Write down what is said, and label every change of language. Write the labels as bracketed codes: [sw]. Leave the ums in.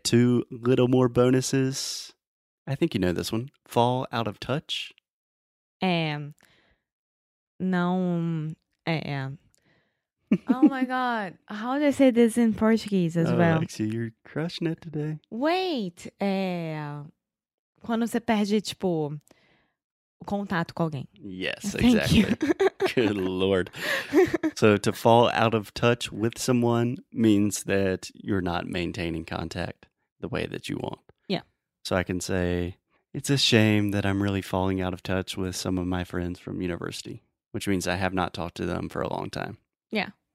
[en] Two little more bonuses. I think you know this one fall out of touch. And. Um, no, I am. Oh my god, how do I say this in Portuguese as oh, well? Alexia, you're crushing it today. [pt] Wait, é quando você perde tipo o contato [en] Yes, Thank exactly. You. Good lord. so to fall out of touch with someone means that you're not maintaining contact the way that you want. Yeah. So I can say it's a shame that I'm really falling out of touch with some of my friends from university which means I have not talked to them for a long time. Yeah.